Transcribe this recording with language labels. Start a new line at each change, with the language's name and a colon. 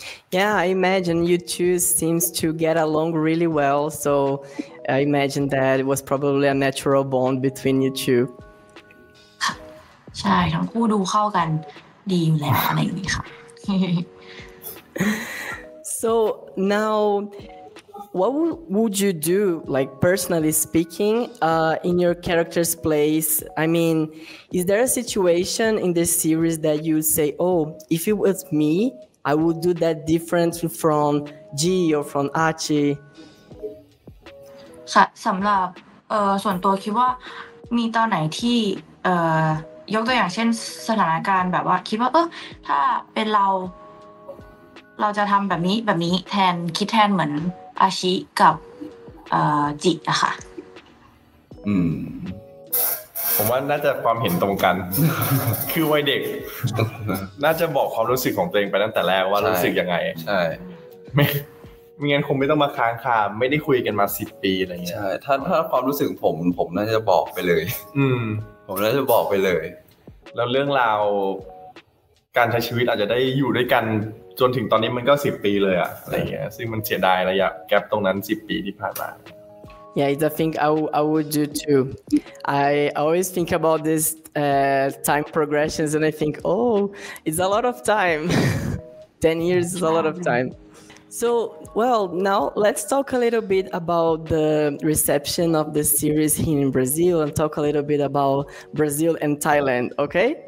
English: Yeah, I imagine you two seems to get along really well, so I imagine that it was probably a natural bond between you two.
Thai: ใช่ทั้งคู่ดูเข้ากันดีอยู่แล้วอะไรอย่างนี้ค่ะ
English: So now, what would you do, like personally speaking, in your character's place? I mean, is there a situation in the series that you say, oh, if it was me, I would do that differently from G or from Archie?
Thai: สำหรับส่วนตัวคิดว่ามีตอนไหนที่ยกตัวอย่างเช่นสถานการณ์แบบว่าคิดว่าถ้าเป็นเราจะทำแบบนี้แทนคิดแทนเหมือนอาชิกับจิตอะค่ะ ผมว่าน่าจะความเห็นตรงกัน คือวัยเด็ก น่าจะบอกความรู้สึกของตัวเองไปตั้งแต่แรกว่ารู้สึกยังไง ใช่ ไม่งั้นคงไม่ต้องมาค้างคาไม่ได้คุยกันมา10ปีอะไรเงี้ย ใช่ถ้าความรู้สึกผมน่าจะบอกไปเลยผมน่าจะบอกไปเลย แล้วเรื่องราวการใช้ชีวิตอาจจะได้อยู่ด้วยกันจนถึงตอนนี้มันก็10ปีเลยอะอะไรเงี้ยซึ่งมันเสียดายระยะแกปตรงนั้น10ปีที่ผ่านมา
English: Yeah, I think I would do too. I always think about this time progressions and I think, oh, it's a lot of time. 10 years is a lot of time. So, well, now let's talk a little bit about the reception of the series here in Brazil and talk a little bit about Brazil and Thailand, okay?